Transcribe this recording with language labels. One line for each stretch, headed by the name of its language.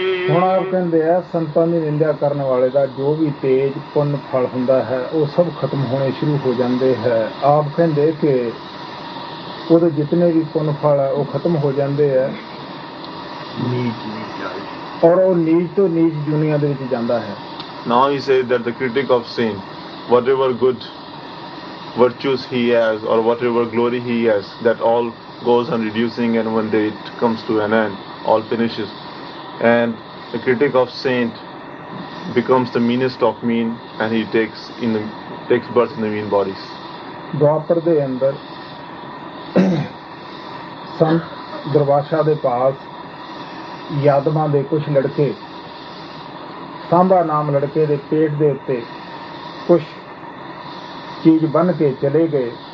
Punjabi: ਹੁਣ ਆਪ ਕਹਿੰਦੇ ਆ ਸੰਤਾਂ ਦੀ ਨਿੰਦਿਆ ਕਰਨ ਵਾਲੇ ਦਾ ਜੋ ਵੀ ਤੇਜ ਪੁੰਨ ਫਲ ਹੁੰਦਾ ਹੈ ਉਹ ਸਭ ਖਤਮ ਹੋਣੇ ਸ਼ੁਰੂ ਹੋ ਜਾਂਦੇ ਹੈ। ਆਪ ਕਹਿੰਦੇ ਕਿ ਉਹਦੇ ਜਿਤਨੇ ਵੀ ਪੁੰਨ ਫਲ ਆ ਉਹ ਖਤਮ ਹੋ ਜਾਂਦੇ ਹੈ ਔਰ ਉਹ ਨੀਚ ਤੋਂ ਨੀਚ ਦੁਨੀਆਂ ਦੇ ਵਿੱਚ ਜਾਂਦਾ ਹੈ।
English: Now he says that the critic of sin, whatever good virtues he has or whatever glory he has, that all goes on reducing, and when day it comes to an end, all finishes. And the critic of saint becomes the meanest of mean, and he takes birth in the mean bodies.
Punjabi: ਦੁਆਪਰ ਦੇ ਅੰਦਰ ਸੰਤ ਦਰਵਾਸ਼ਾ ਦੇ ਪਾਸ ਯਾਦਵਾਂ ਦੇ ਕੁਛ ਲੜਕੇ, ਸਾਂਭਾ ਨਾਮ ਲੜਕੇ ਦੇ ਪੇਟ ਦੇ ਉੱਤੇ ਕੁਛ ਚੀਜ਼ ਬੰਨ ਕੇ ਚਲੇ ਗਏ।